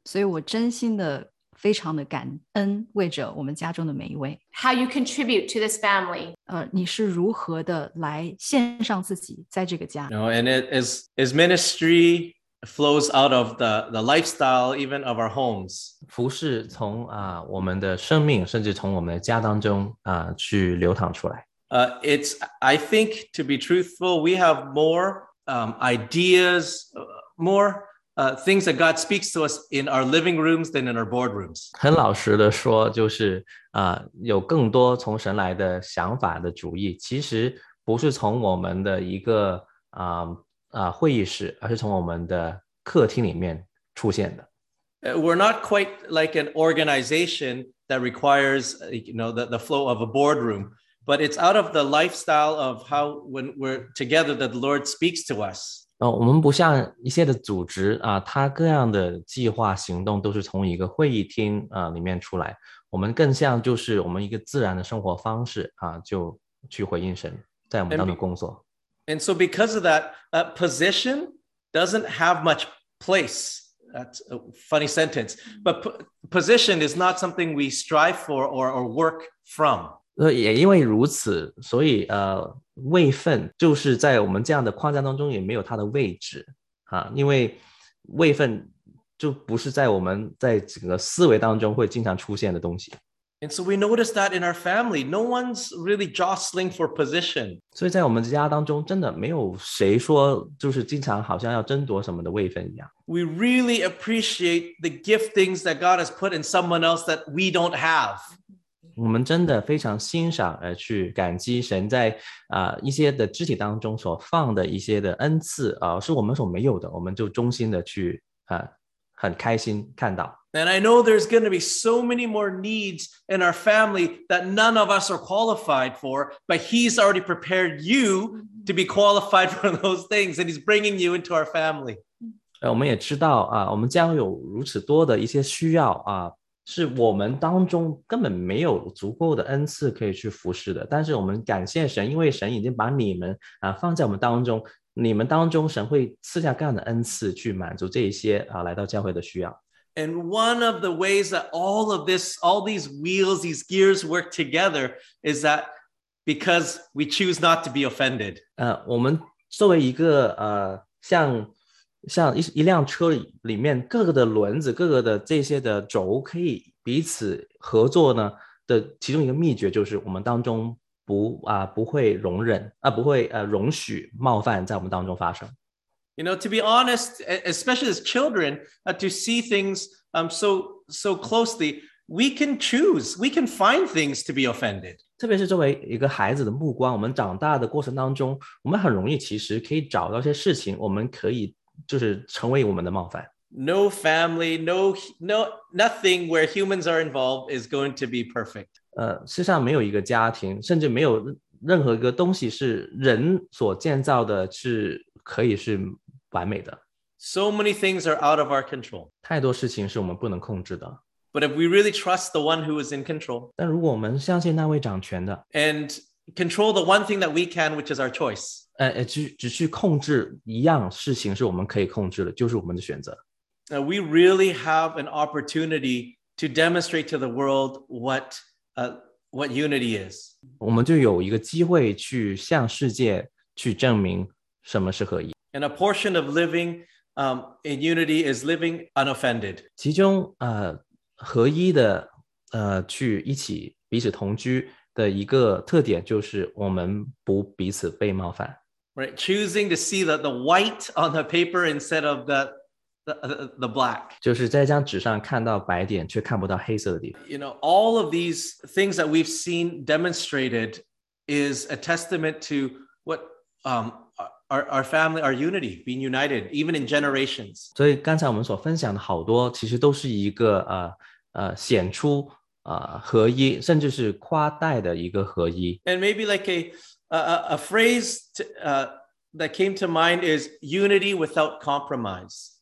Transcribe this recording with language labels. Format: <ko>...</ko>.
<zh>所以我真心的非常的感恩为着我们家中的每一位。</zh> <en>How you contribute to this family.</en> <zh>你是如何的来献上自己在这个家。</zh> <en>No, and it is ministry flows out of the lifestyle, even of our homes.</en> <zh>服侍从我们的生命，甚至从我们的家当中去流淌出来。</zh> <en>It's, I think, to be truthful, we have more ideas, more things that God speaks to us in our living rooms than in our boardrooms.</en> <zh>很老实的说，就是有更多从神来的想法的主意，其实不是从我们的一个会议室，而是从我们的客厅里面出现的。</zh> <en>We're not quite like an organization that requires, you know, the flow of a boardroom, but it's out of the lifestyle of how when we're together that the Lord speaks to us.</en> <zh>我们不像一些的组织它各样的计划行动都是从一个会议厅里面出来。我们更像就是我们一个自然的生活方式就去回应神在我们当中工作。</zh> <en>And so because of that, a position doesn't have much place. That's a funny sentence. But position is not something we strive for or work from.</en> <zh>也因为如此，所以位份就是在我们这样的框架当中也没有它的位置啊，因为位份就不是在我们在整个思维当中会经常出现的东西。</zh> <en>And so we notice that in our family, no one's really jostling for position.</en> <zh>所以在我们家当中真的没有谁说就是经常好像要争夺什么的位分一样。</zh> <en>We really appreciate the giftings that God has put in someone else that we don't have.</en> <zh>我们真的非常欣赏而去感激神在一些的肢体当中所放的一些的恩赐是我们所没有的，我们就衷心的去很开心看到。</zh> <en>And I know there's going to be so many more needs in our family that none of us are qualified for, but he's already prepared you to be qualified for those things, and he's bringing you into our family.</en> <zh>我们也知道我们将有如此多的一些需要是我们当中根本没有足够的恩赐可以去服侍的，但是我们感谢神，因为神已经把你们放在我们当中，你们当中神会赐下各样的恩赐去满足这些来到教会的需要。</zh> <en>And one of the ways that all of this, all these wheels, these gears work together is that because we choose not to be offended.</en> <zh>我们作为一个像一辆车里面各个的轮子，各个的这些的轴可以彼此合作呢的其中一个秘诀就是我们当中不会容忍不会容许冒犯在我们当中发生。</zh> <en>You know, to be honest, especially as children, to see things so closely, we can choose, we can find things to be offended.</en> <zh>特别是作为一个孩子的目光，我们长大的过程当中，我们很容易其实可以找到一些事情，我们可以就是成为我们的冒犯。</zh> <en>No family, nothing where humans are involved is going to be perfect.</en> <zh>世上没有一个家庭，甚至没有任何一个东西是人所建造的，是可以是完美的。</zh> <en>So many things are out of our control.</en> <zh>太多事情是我们不能控制的。</zh> <en>But if we really trust the one who is in control,</en> <zh>但如果我们相信那位掌权的</zh> <en>and control the one thing that we can, which is our choice,</en> <zh>只去控制一样事情是我们可以控制的，就是我们的选择。</zh> <en>We really have an opportunity to demonstrate to the world what unity is.</en> <zh>我们就有一个机会去向世界去证明什么是合一。</zh> <en>And a portion of living in unity is living unoffended.</en> <zh>其中合一的去一起彼此同居的一个特点就是我们不彼此被冒犯。</zh> <en>Right, choosing to see the white on the paper instead of the black.</en> <zh>就是在一张纸上看到白点却看不到黑色的地方。</zh> <en>You know, all of these things that we've seen demonstrated is a testament to what our family, our unity, being united, even in generations.</en> <zh>所以刚才我们所分享的好多其实都是一个显出合一甚至是跨代的一个合一。</zh> <en>And maybe like a phrase that came to mind is unity without compromise.</en>